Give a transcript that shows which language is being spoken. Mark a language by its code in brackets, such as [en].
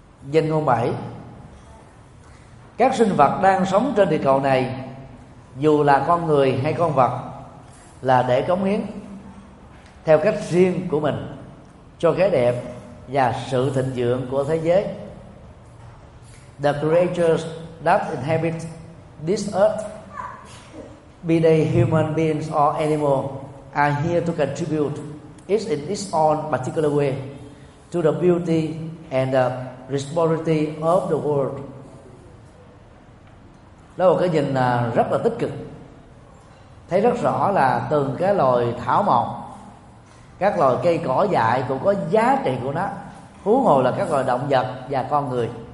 [vi] Danh ngôn 7: các sinh vật đang sống trên địa cầu này, dù là con người hay con vật, là để cống hiến theo cách riêng của mình cho cái đẹp và sự thịnh vượng của thế giới. [en] The creatures that inhabit this earth, be they human beings or animals, are here to contribute, each in its own particular way, to the beauty and the prosperity of the world. [vi] Đó là cái nhìn rất là tích cực. Thấy rất rõ là từng cái loài thảo mộc, các loài cây cỏ dại cũng có giá trị của nó, huống hồ là các loài động vật và con người.